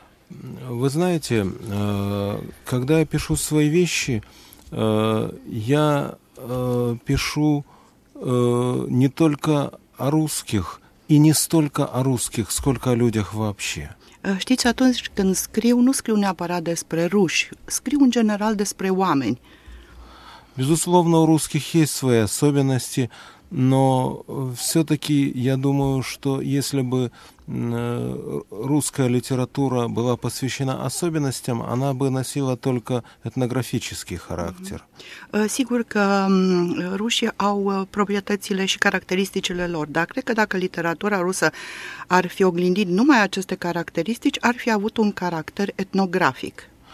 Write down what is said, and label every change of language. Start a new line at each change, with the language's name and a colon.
Russian: Вы знаете, когда я пишу свои вещи, я пишу не только о русских и не столько о русских, сколько о людях вообще.
Romanian: Știți, atunci când scriu, nu scriu neapărat despre ruși, scriu în general despre oameni.
Russian: Безусловно, у русских есть свои особенности, но все-таки я думаю, что если бы русская литература была посвящена особенностям, она бы носила только этнографический характер.
Romanian: Sigur că rușii au proprietățile și caracteristicile lor, dar cred că dacă literatura rusă ar fi oglindit numai aceste caracteristici, ar fi avut un caracter etnografic.